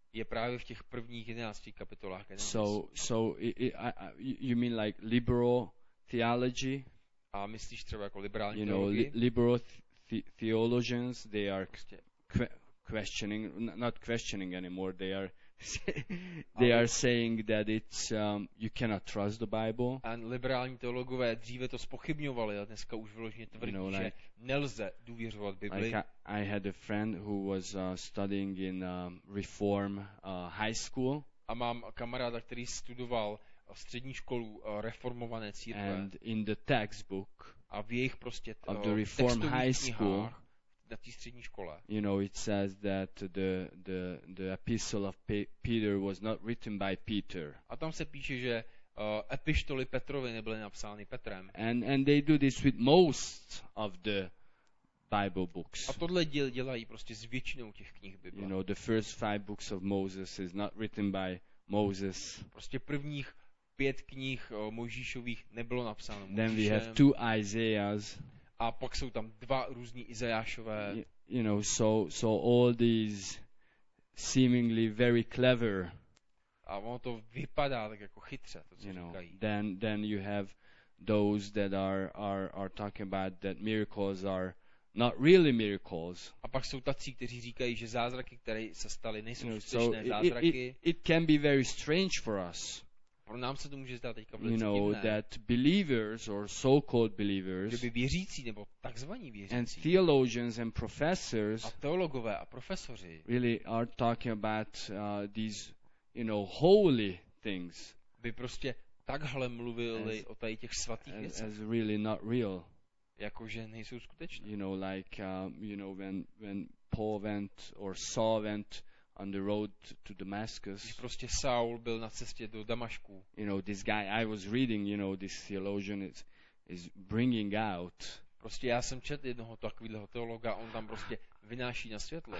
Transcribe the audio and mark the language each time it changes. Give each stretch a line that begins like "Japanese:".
Czech: Je právě v těch prvních 11 kapitolách Genesis.
English: So you mean like liberal theology?
Czech: A myslíš třeba jako liberální teologie?
English: You know, liberal theologians, they are
Czech: prostě
English: questioning, not questioning anymore, they are they are saying that it's you cannot trust the Bible.
Czech: And liberální teologové dříve to spochybňovali, a dneska už vyloženě tvrdí,
English: you know,
Czech: že nelze důvěřovat Bibli.
English: Like I had a friend who was studying in reform high school.
Czech: A mám kamaráda, který studoval střední školu reformované církve.
English: And in the textbook
Czech: a v jejich prostě
English: of the reform high school
Czech: na té střední škole.
English: You know, it says that the epistle of Peter was not written by Peter.
Czech: A tam se píše, že epištoly Petrovy nebyly napsány Petrem.
English: And they do this with most of the Bible books.
Czech: A tohle dělají prostě s většinou těch knih Bible.
English: You know, the first five books of Moses is not written by Moses.
Czech: Prostě prvních pět knih Mojžíšových nebylo napsáno Mojžíšem.
English: Then we have two Isaiahs.
Czech: A pak jsou tam dva různí Izajášové.
English: You know, so all these seemingly very clever.
Czech: A ono to vypadá tak jako chytře, to co
English: you know,
Czech: říkají.
English: Then you have those that are talking about that miracles are not really miracles.
Czech: A pak jsou tací, kteří říkají, že zázraky, které se staly, nejsou skutečné
English: so
Czech: zázraky.
English: It can be very strange for us.
Czech: Pro nám se to může zdát teďka velice divné.
English: That believers or so-called believers,
Czech: že by věřící nebo takzvaní věřící,
English: and theologians and professors,
Czech: a teologové a profesoři,
English: really are talking about these, you know, holy things,
Czech: by prostě takhle mluvili o tady těch svatých věcech,
English: as really not real,
Czech: jakože nejsou skutečné.
English: You know, like you know, when Paul went or Saul went on the road to Damascus.
Czech: Když prostě Saul byl na cestě do Damašku.
English: You know, this guy I was reading, you know, this theologian is bringing out.
Czech: Prostě já jsem četl jednoho takového teologa, on tam prostě vynáší na světlo.